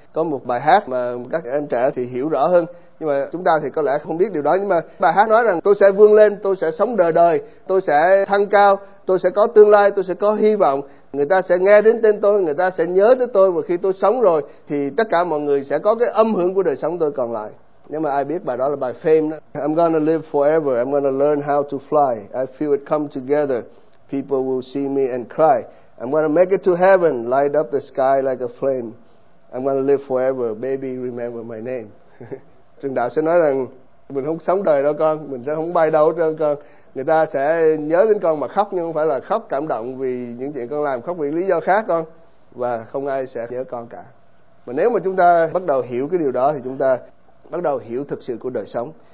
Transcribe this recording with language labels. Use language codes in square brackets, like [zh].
[vi] Có một bài hát mà các em trẻ thì hiểu rõ hơn, nhưng mà chúng ta thì có lẽ không biết điều đó. Nhưng mà bài hát nói rằng tôi sẽ vươn lên, tôi sẽ sống đời đời, tôi sẽ thăng cao, tôi sẽ có tương lai, tôi sẽ có hy vọng. Người ta sẽ nghe đến tên tôi, người ta sẽ nhớ tới tôi, và khi tôi sống rồi thì tất cả mọi người sẽ có cái âm hưởng của đời sống tôi còn lại. Nếu mà ai biết bài đó là bài Fame đó. [en] I'm gonna live forever, I'm gonna learn how to fly, I feel it come together, people will see me and cry. I'm going to make it to heaven, light up the sky like a flame. I'm going to live forever, baby, remember my name. [vi] Trường đạo sẽ nói rằng mình không sống đời đâu con, mình sẽ không bay đâu đâu con. Người ta sẽ nhớ đến con mà khóc, nhưng không phải là khóc cảm động vì những chuyện con làm, khóc vì lý do khác con. Và không ai sẽ nhớ con cả. Mà nếu mà chúng ta bắt đầu hiểu cái điều đó thì chúng ta bắt đầu hiểu thực sự của đời sống.